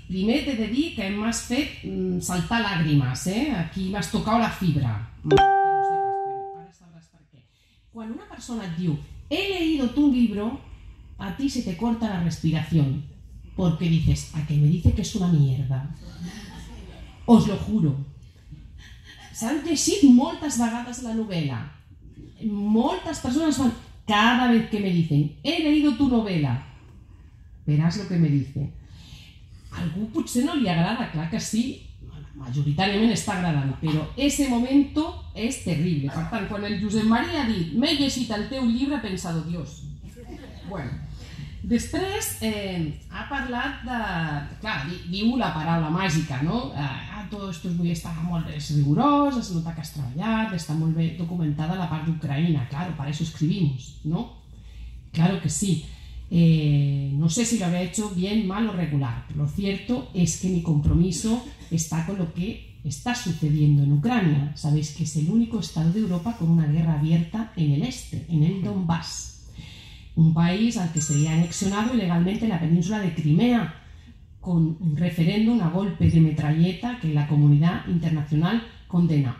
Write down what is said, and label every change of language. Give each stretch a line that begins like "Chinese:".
Catalan: Primer t'he de dir que m'has fet saltar làgrimes, eh? Aquí m'has tocat la fibra. Ara sabràs per què. Quan una persona et diu
Spanish: he leído tu libro, a ti se te corta la respiración, porque dices, ¿a qué me dice que es una mierda? Os lo juro.
Catalan: S'han llegit moltes vegades la novel·la. Moltes persones van,
Spanish: cada vez que me dicen, he leído tu
Catalan: novel·la, verás lo que me dice. Algú potser no li agrada, clar que sí, majoritàriament està agradant, però
Spanish: ese momento
Catalan: és terrible. Per tant, quan el Josep Maria ha dit, m'he llegit el teu llibre, he pensat, Dios. Bueno, després ha parlat de, clar, diu la paraula màgica, no? Tot això avui està molt rigorós, es nota que has treballat, està molt bé documentada la part d'Ucraïna, claro, per això escrivim, no?
Spanish: Claro que sí. No sé si lo había hecho bien, mal o regular. Lo cierto es que mi compromiso está con lo que está sucediendo en Ucrania. Sabéis que es el único estado de Europa con una guerra abierta en el este, en el Donbass. Un país al que se había anexionado ilegalmente la península de Crimea con un referéndum a golpe de metralleta que la comunidad internacional condena.